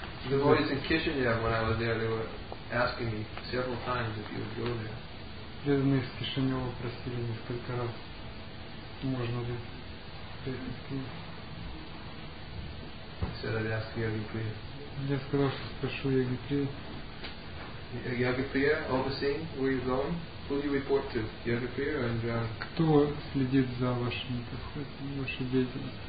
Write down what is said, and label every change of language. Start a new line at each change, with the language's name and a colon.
English: The boys in Kishinev, when I was there, they were asking me several times if you would go there.
Russian: Yes, мы с Кишинева просили несколько раз, можно ли прийти.
English: I said I'd ask Yogi Priya.
Russian: Я сказал, что спрошу Йоги Прия.
English: Yogi Priya, overseeing where you're going, who do you report to? Yogi Priya or Indrani?
Russian: Кто следит за вашими подходами, вашей деятельностью?